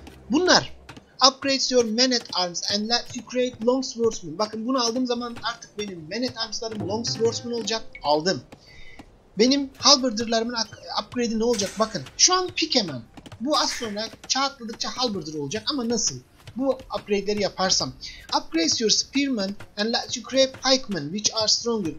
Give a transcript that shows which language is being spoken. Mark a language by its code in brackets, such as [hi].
[tr] Bunlar [en] upgrade your men at arms and let you create long swordsmen. [tr] Bakın bunu aldığım zaman artık benim men at armslarım long swordsmen olacak. Aldım. Benim halberdlerimin upgrade'i ne olacak? Bakın şu an pikemen. Bu az sonra çağ atladıkça halberdler olacak ama nasıl? Bu upgrade'leri yaparsam. [en] Upgrade your spearmen and let you create pikemen which are stronger.